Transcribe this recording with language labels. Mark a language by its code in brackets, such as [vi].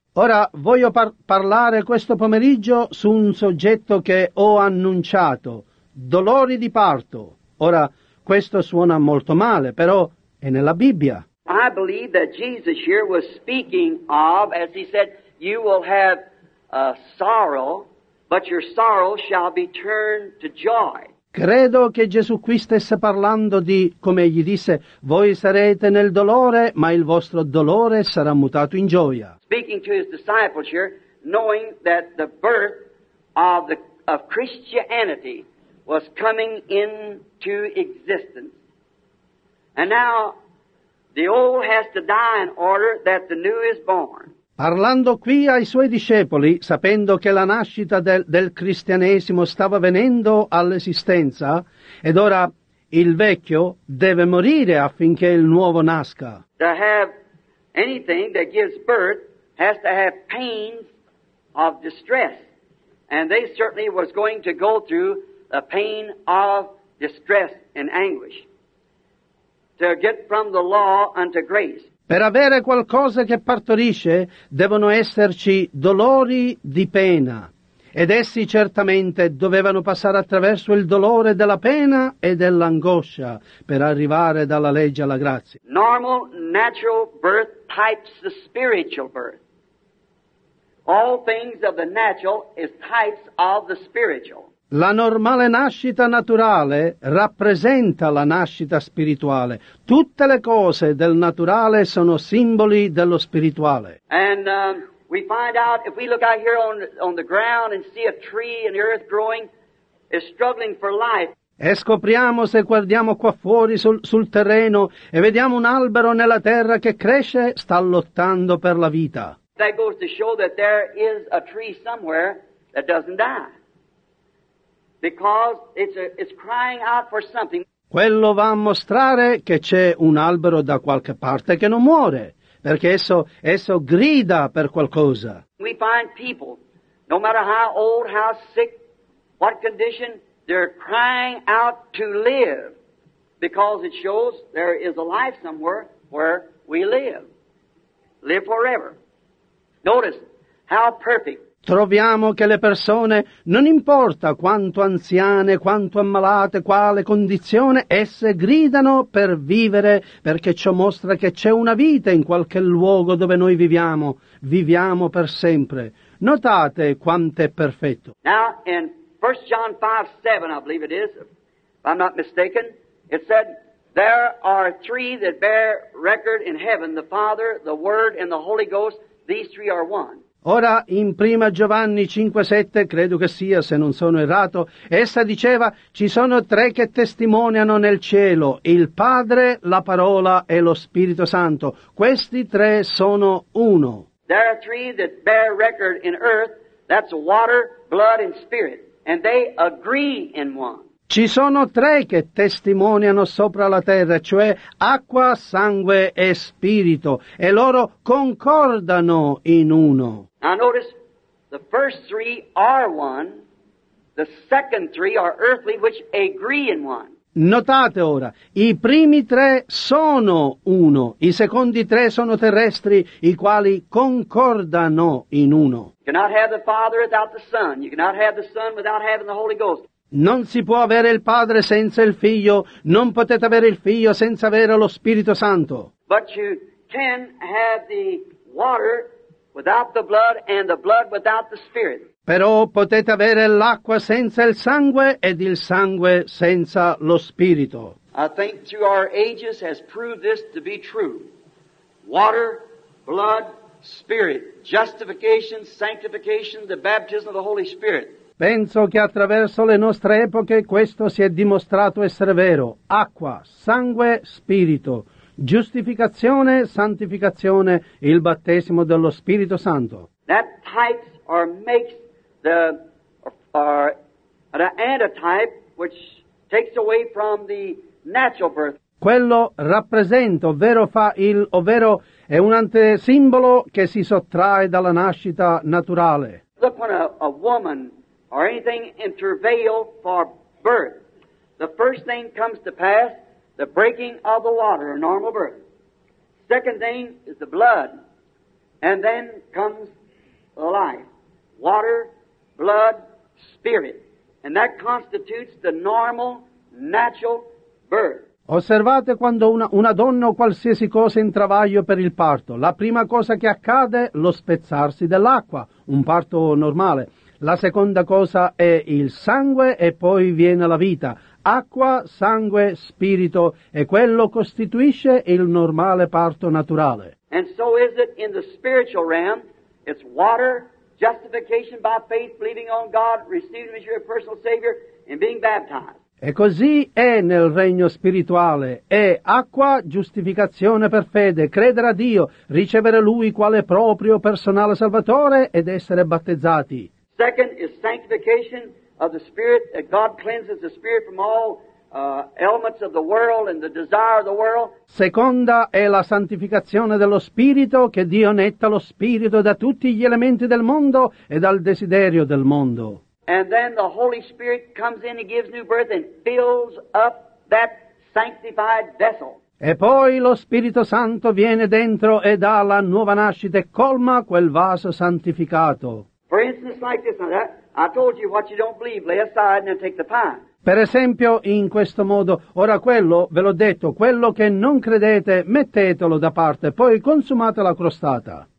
[it] Ora voglio parlare questo pomeriggio su un soggetto che ho annunciato, dolori di parto. Ora, questo suona molto male, però è nella Bibbia. [en] I believe that Jesus here was speaking of, as he said, you will have a sorrow, but your sorrow shall be turned to joy. [it] Credo che Gesù qui stesse parlando di, come egli disse, voi sarete nel dolore, ma il vostro dolore sarà mutato in gioia. [en] Speaking to his disciples here, knowing that the birth of Christianity was coming into existence. And now the old has to die in order that the new is born. [it] Parlando qui ai suoi discepoli, sapendo che la nascita del cristianesimo stava venendo all'esistenza, ed ora il vecchio deve morire affinché il nuovo nasca. [en] To have anything that gives birth has to have pains of distress. And they certainly was going to go through a pain of distress and anguish. To get from the law unto grace. [it] Per avere qualcosa che partorisce, devono esserci dolori di pena. Ed essi certamente dovevano passare attraverso il dolore della pena e dell'angoscia per arrivare dalla legge alla grazia. [en] Normal, natural birth types the spiritual birth. All things of the natural is types of the spiritual. [it] La normale nascita naturale rappresenta la nascita spirituale. Tutte le cose del naturale sono simboli dello spirituale. [en] And we find out, if we look out here on the ground and see a tree and the earth growing, is struggling for life. [it] E scopriamo, se guardiamo qua fuori sul terreno e vediamo un albero nella terra che cresce, sta lottando per la vita. [en] That goes to show that there is a tree somewhere that doesn't die. Because it's crying out for something. [it] Quello va a mostrare che c'è un albero da qualche parte che non muore, perché esso grida per qualcosa. [en] We find people, no matter how old, how sick, what condition, they're crying out to live, because it shows there is a life somewhere where we live. Live forever. Notice how perfect. [it] Troviamo che le persone, non importa quanto anziane, quanto ammalate, quale condizione, esse gridano per vivere, perché ciò mostra che c'è una vita in qualche luogo dove noi viviamo. Viviamo per sempre. Notate quanto è perfetto. [en] Now, in 1 John 5:7, I believe it is, if I'm not mistaken, it said, there are three that bear record in heaven, the Father, the Word, and the Holy Ghost. These three are one. [it] Ora, in Prima Giovanni 5:7, credo che sia, se non sono errato, essa diceva, ci sono tre che testimoniano nel cielo, il Padre, la Parola e lo Spirito Santo. Questi tre sono uno. [en] There are three that bear record in earth, that's water, blood and spirit, and they agree in one. [it] Ci sono tre che testimoniano sopra la terra, cioè acqua, sangue e spirito, e loro concordano in uno. [en] Now notice, the first three are one, the second three are earthly, which agree in one. [it] Notate ora, i primi tre sono uno, i secondi tre sono terrestri, i quali concordano in uno. [en] You cannot have the Father without the Son, you cannot have the Son without having the Holy Ghost. [it] Non si può avere il Padre senza il Figlio, non potete avere il Figlio senza avere lo Spirito Santo. [en] But you can have the water without the blood and the blood without the Spirit. [it] Però potete avere l'acqua senza il sangue ed il sangue senza lo Spirito. [en] I think through our ages has proved this to be true. Water, blood, Spirit. Justification, sanctification, the baptism of the Holy Spirit. [it] Penso che attraverso le nostre epoche questo si è dimostrato essere vero. Acqua, sangue, spirito. Giustificazione, santificazione, il battesimo dello Spirito Santo. [en] That types or makes the antitype which takes away from the natural birth. [it] Quello rappresenta, ovvero fa il, ovvero è un antesimbolo che si sottrae dalla nascita naturale. [en] Look, when a woman or anything in travail for birth, the first thing comes to pass, the breaking of the water, a normal birth. Second thing is the blood. And then comes the life. Water, blood, spirit. And that constitutes the normal, natural birth. [it] Osservate quando una donna o qualsiasi cosa è in travaglio per il parto. La prima cosa che accade è lo spezzarsi dell'acqua, un parto normale. La seconda cosa è il sangue e poi viene la vita. Acqua, sangue, spirito, e quello costituisce il normale parto naturale. [en] And so is it in the spiritual realm. It's water, justification by faith, believing on God, receiving as your personal Savior, and being baptized. [it] E così è nel regno spirituale. È acqua, giustificazione per fede, credere a Dio, ricevere Lui quale proprio personale salvatore ed essere battezzati. [en] Second is sanctification of the Spirit, that God cleanses the Spirit from all elements of the world and the desire of the world. [it] Seconda è la santificazione dello Spirito, che Dio netta lo Spirito da tutti gli elementi del mondo e dal desiderio del mondo. [en] And then the Holy Spirit comes in and gives new birth and fills up that sanctified vessel. [it] E poi lo Spirito Santo viene dentro e dà la nuova nascita e colma quel vaso santificato. [en] For instance, like this, now that, I told you what you don't believe, lay aside and take the pine. [it] Per esempio, in questo modo, ora quello, ve l'ho detto, quello che non credete, mettetelo da parte, poi consumate la crostata.